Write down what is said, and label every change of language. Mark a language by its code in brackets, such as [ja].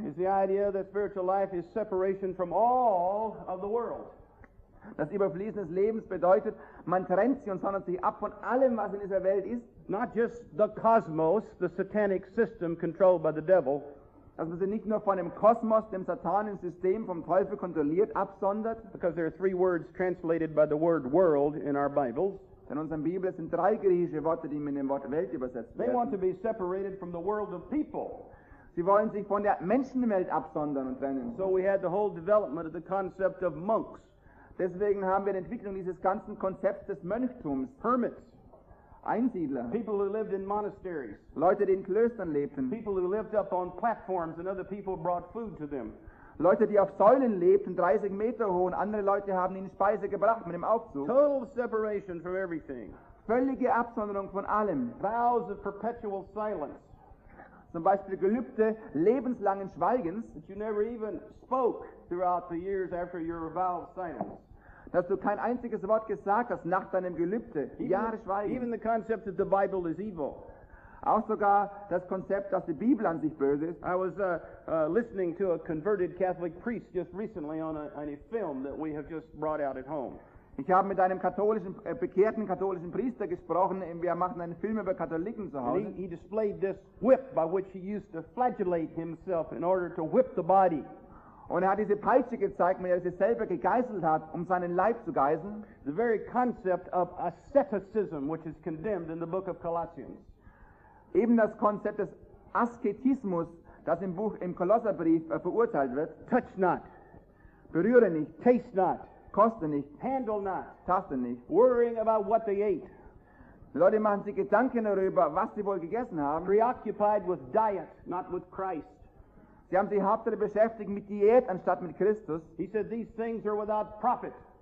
[en] is the idea that spiritual life is separation from all of the world. [de] Das überfließendes Lebens bedeutet, man trennt sich und sondert sich ab von allem, was in dieser Welt ist. [en] Not just the cosmos, the satanic system controlled by the devil. [de] Dass man sich nicht nur von dem Kosmos, dem satanischen System, vom Teufel kontrolliert, absondert. [en] Because there are three words translated by the word world in our Bibles. [de] In unserer Bibel sind drei griechische Worte, die mit dem Wort Welt übersetzt werden. [en] They want to be separated from the world of people. [de] Sie wollen sich von der Menschenwelt absondern und trennen. [en] So we had the whole development of the concept of monks. [de] Deswegen haben wir die Entwicklung dieses ganzen Konzepts des Mönchtums. [en] Hermits. [de] Einsiedler. [en] People who lived in monasteries. [de] Leute, die in Klöstern lebten. [en] People who lived up on platforms and other people brought food to them. [de] Leute, die auf Säulen lebten, 30 Meter hoch, und andere Leute haben ihnen Speise gebracht mit dem Aufzug. [en] Total separation from everything. [de] Völlige Absonderung von allem. [en] Vows of perpetual silence. [de] Zum Beispiel Gelübde lebenslangen Schweigens. [en] That you never even spoke throughout the years after your vow of silence. [de] Dass du kein einziges Wort gesagt hast nach deinem Gelübde. Jahre Schweigen. [en] Even the concept that the Bible is evil. [de] Auch sogar das Konzept, dass die Bibel an sich böse ist. [en] I was listening to a converted Catholic priest just recently on a film that we have just brought out at home. [de] Ich habe mit einem katholischen, bekehrten katholischen Priester gesprochen. Wir machen einen Film über Katholiken zu Hause. [en] He displayed this whip by which he used to flagellate himself in order to whip the body. [de] Und er hat diese Peitsche gezeigt, mit der er sich selber gegeißelt hat, um seinen Leib zu geißeln. [en] The very concept of asceticism, which is condemned in the book of Colossians. [de] Eben das Konzept des Asketismus, das im Buch im Kolosserbrief verurteilt wird. [en] Touch not. [de] Berühre nicht. [en] Taste not. [de] Koste nicht. [en] Handle not. [de] Taste nicht. [en] Worrying about what they ate. [de] Die Leute machen sich Gedanken darüber, was sie wohl gegessen haben. [en] Preoccupied with diet, not with Christ. [de] Sie haben sich hauptsächlich beschäftigt mit Diät anstatt mit Christus. [en] He said these things are without profit.